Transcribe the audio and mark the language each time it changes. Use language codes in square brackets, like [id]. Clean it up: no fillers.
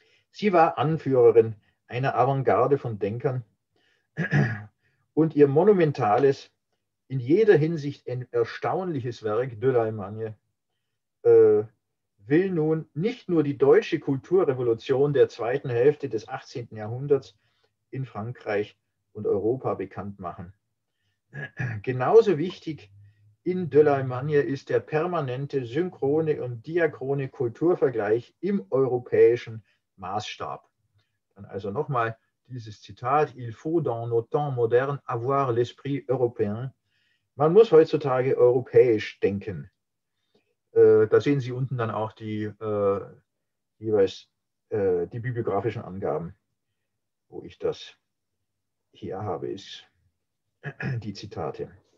[de] Sie war Anführerin einer Avantgarde von Denkern und ihr monumentales, in jeder Hinsicht ein erstaunliches Werk de l'Allemagne will nun nicht nur die deutsche Kulturrevolution der zweiten Hälfte des 18. Jahrhunderts in Frankreich und Europa bekannt machen. Genauso wichtig in de l'Allemagne ist der permanente synchrone und diachrone Kulturvergleich im europäischen Maßstab. Dann also nochmal dieses Zitat: [fr] Il faut dans nos temps modernes avoir l'esprit européen. [de] Man muss heutzutage europäisch denken. Da sehen Sie unten dann auch die jeweils die bibliografischen Angaben, wo ich das hier habe, ist die Zitate.